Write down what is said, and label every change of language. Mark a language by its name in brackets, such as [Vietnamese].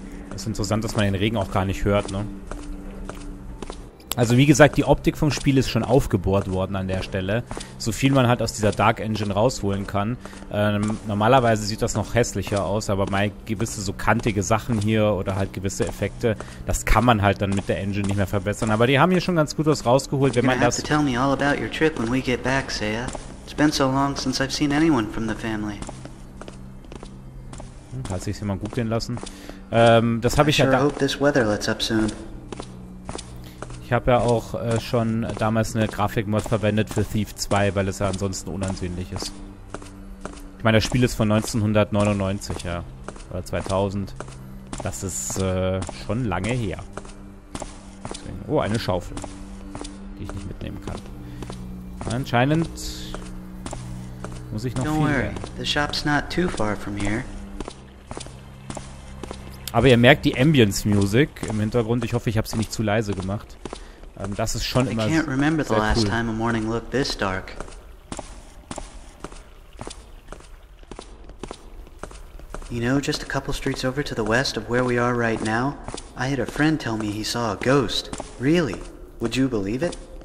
[German] Es ist interessant, dass man den Regen auch gar nicht hört, ne? Also wie gesagt, die Optik vom Spiel ist schon aufgebohrt worden an der Stelle. So viel man halt aus dieser Dark Engine rausholen kann. Normalerweise sieht das noch hässlicher aus, aber mal gewisse so kantige Sachen hier oder halt gewisse Effekte, das kann man halt dann mit der Engine nicht mehr verbessern. Aber die haben hier schon ganz gut was rausgeholt, wenn man das... [English] You're gonna have to tell me all about your trip when we get back, Saya. It's been so long since I've seen anyone from the family. [German] Hat sich's hier mal gut gehen lassen. Das habe ich [English] sure [German] ja da... [English] hope this weather lets up soon. [German] Ich habe ja auch schon damals eine Grafikmod verwendet für Thief 2, weil es ja ansonsten unansehnlich ist. Ich meine, das Spiel ist von 1999, ja. Oder 2000. Das ist schon lange her. Deswegen, oh, eine Schaufel. Die ich nicht mitnehmen kann. Anscheinend muss ich noch [English] Don't worry. [German] Mehr. [English] The shop's not too far from here. [German] Aber ihr merkt die Ambience-Music im Hintergrund. Ich hoffe, ich habe sie nicht zu leise gemacht. Das ist schon immer sehr cool. [English] I can't remember the last time a morning looked this dark. You know, just a couple streets over to the west of where we are right now, I had a friend tell me he saw a ghost. Really? Would you believe it?